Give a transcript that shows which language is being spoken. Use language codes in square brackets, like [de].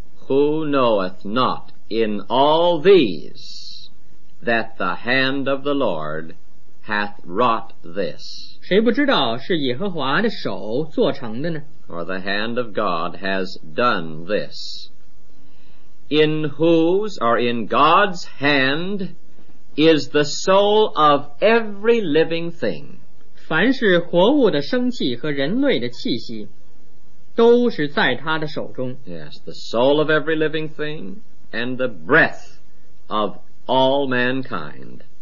[en] Who knoweth not in all these that the hand of the Lord hath wrought this [zh] 谁不知道是耶和华的手做成的呢 [en] Or the hand of God has done this In whose or in God's hand is the soul of every living thing [zh] 凡是活物的生气和人类的气息都是在他的手中。 [en] Yes, the soul of every living thing and the breath of all mankind.